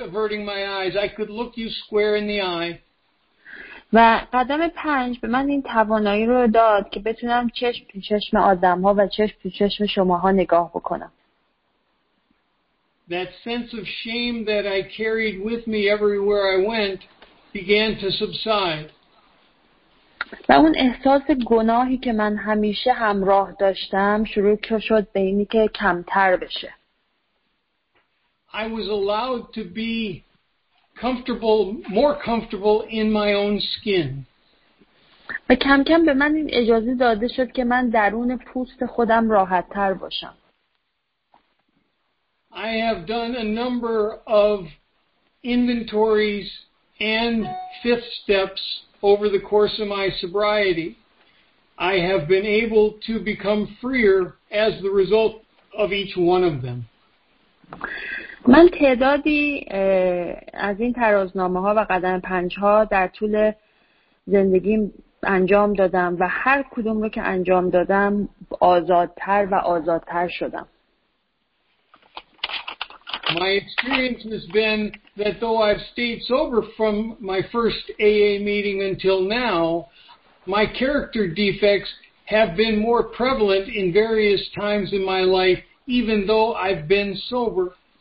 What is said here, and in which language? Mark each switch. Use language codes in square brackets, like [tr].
[en] averting my eyes, I could look you square in the eye. [fa] و قدم پنج به من این توانایی رو داد که بتونم چشم تو چشم آدم‌ها و چشم تو چشم شماها نگاه بکنم. [en] That sense of shame that I carried with me everywhere I went began to subside. [fa] و اون احساس گناهی که من همیشه همراه داشتم شروع شد به اینی که کمتر بشه. [en] I was allowed to be comfortable, more comfortable in my own skin. [fa] و کم کم به من این اجازه داده شد که من درون پوست خودم راحت تر باشم. [en] I have done a number of inventories and fifth steps over the course of my sobriety. I have been able to become freer as the result of each one of them. [fa] من تعدادی از این ترازنامه‌ها و قدم پنج‌ها در طول زندگیم انجام دادم و هر کدوم رو که انجام دادم آزادتر و آزادتر شدم. [en] My experience has been that though I've stayed sober from my first AA meeting until now, my character defects have been more prevalent in various times in my life, even though I've been sober.